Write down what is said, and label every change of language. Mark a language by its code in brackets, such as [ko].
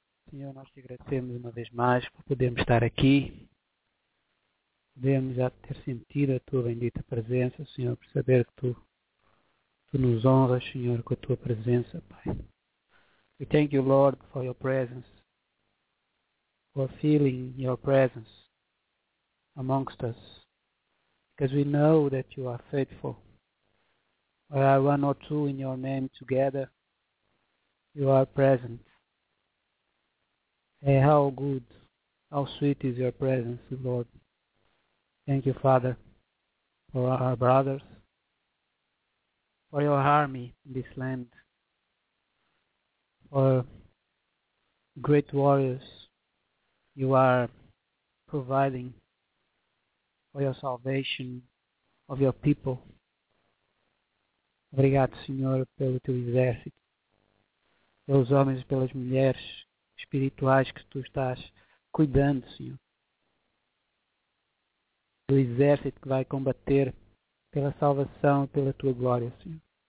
[pt] Senhor, nós te agradecemos uma vez mais por podermos estar aqui. Podemos já ter sentido a tua bendita presença, Senhor, por saber que tu nos honras, Senhor, com a tua presença, Pai. [en] We thank you, Lord, for your presence, for feeling your presence amongst us, because we know that you are faithful. Where are one or two in your name together, you are present. Hey, how good, how sweet is your presence, Lord. Thank you, Father, for our brothers, for your army in this land, for great warriors you are providing for your salvation of your people. [pt] Obrigado, Senhor, pelo teu exército, pelos homens e pelas mulheres espirituais que tu estás cuidando, Senhor. Do exército que vai combater pela salvação e pela tua glória, Senhor.